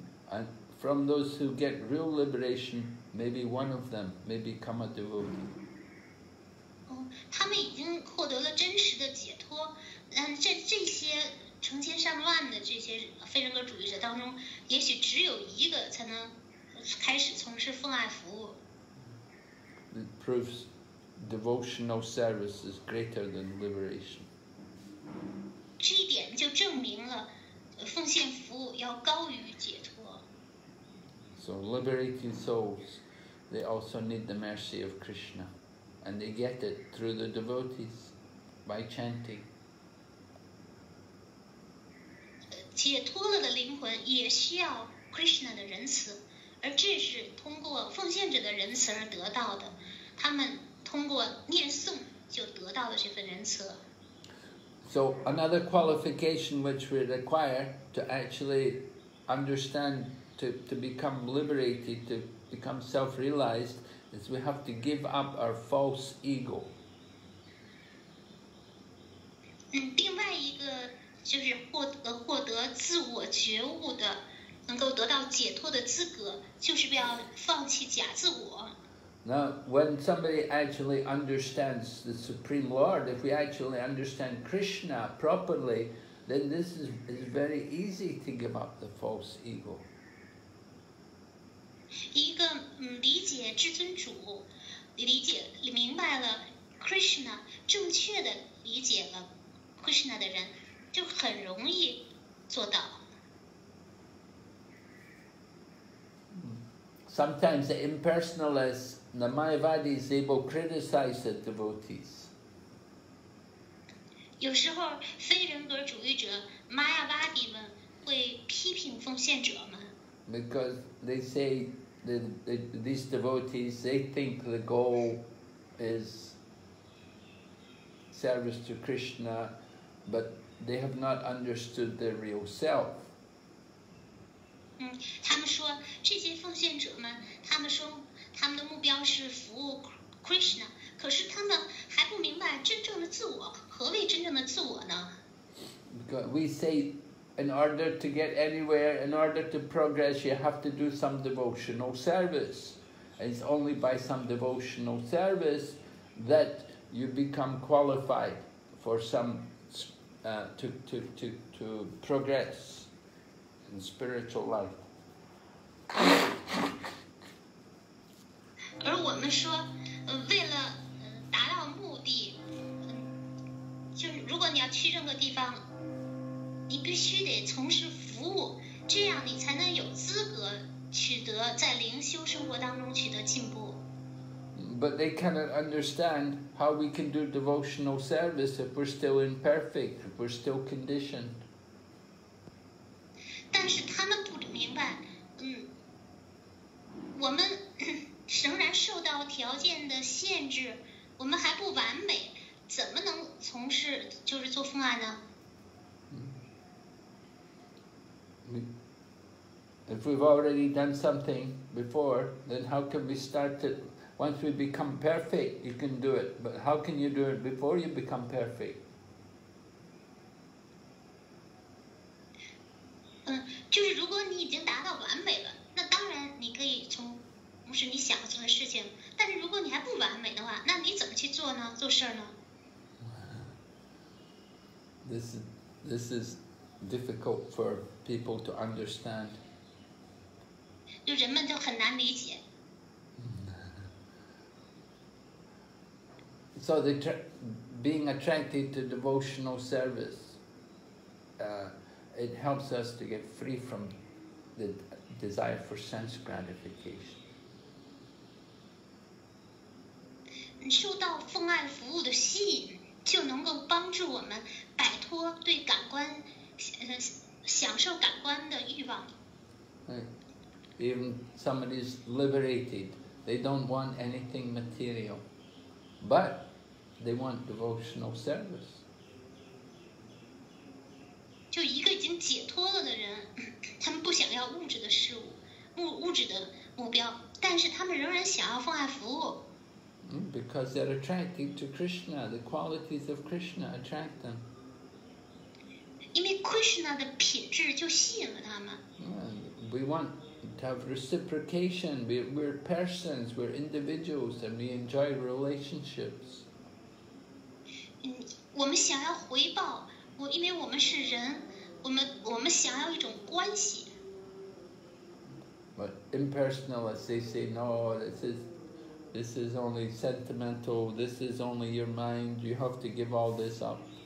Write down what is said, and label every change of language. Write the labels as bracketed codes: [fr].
[en] And from those who get real liberation, maybe one of them may become a devotee. [zh] 他们已经获得了真实的解脱。这些成千上万的这些非人格主义者当中，也许只有一个才能开始从事奉爱服务。 [en] It proves devotional service is greater than liberation. [zh] 这一点就证明了奉献服务要高于解脱。 [en] So liberating souls, they also need the mercy of Krishna, and they get it through the devotees by chanting. [zh] 解脱了的灵魂也需要 Krishna 的仁慈，而这是通过奉献者的仁慈而得到的。他们通过念诵就得到了这份仁慈。 [en] So another qualification which we require to actually understand to become liberated, to become self-realized, is we have to give up our false ego. [zh] 另外一个。就是获得自我觉悟的，能够得到解脱的资格，就是不要放弃假自我。 [en] Now, when somebody actually understands the Supreme Lord, if we actually understand Krishna properly, then this is very easy to give up the false ego. [zh] 一个理解至尊主，理解明白了 Krishna， 正确的理解了 Krishna 的人。就很容易做到。 [en] Sometimes the impersonalists, the Mayavadis, they will criticize the devotees. [zh] 有时候非人格主义者 Mayavadi 们会批评奉献者们。 [en] Because they say these devotees, they think the goal is service to Krishna, but they have not understood their real self. [zh] 他们说这些奉献者们，他们说他们的目标是服务 Krishna， 可是他们还不明白真正的自我，何谓真正的自我呢？ [en] Because we say, in order to get anywhere, in order to progress, you have to do some devotional service. It's only by some devotional service that you become qualified for some. To progress in spiritual life. [zh] 而我们说，为了达到目的，就是如果你要去任何地方，你必须得从事服务，这样你才能有资格取得在灵修生活当中取得进步。 [en] But they cannot understand how we can do devotional service if we're still imperfect, if we're still conditioned. [zh] 但是他们不明白，我们仍然受到条件的限制，我们还不完美，怎么能从事就是做奉爱呢？ [en] If we've already done something before, then how can we start it? Once we become perfect, you can do it. But how can you do it before you become perfect? [zh] 就是如果你已经达到完美了，那当然你可以从事你想做的事情。但是如果你还不完美的话，那你怎么去做呢？做事呢？ [en] This is difficult for people to understand. [zh] 就人们就很难理解。 [en] So they being attracted to devotional service, it helps us to get free from the desire for sense gratification. [zh] 受到奉爱服务的吸引，就能够帮助我们摆脱对感官享受感官的欲望。 [en] Even somebody's liberated, they don't want anything material, but they want devotional service. [zh] 就一个已经解脱了的人，他们不想要物质的事物，物质的目标，但是他们仍然想要奉爱服务。 [en] Because they're attracted to Krishna, the qualities of Krishna attract them. [zh] 因为 Krishna 的品质就吸引了他们。 [en] We want to have reciprocation. We're persons, we're individuals, and we enjoy relationships. [zh] 我们想要回报，因为我们是人，我们想要一种关系。 [en] But impersonalists, they say, no, this is only sentimental, this is only your mind, you have to give all this up.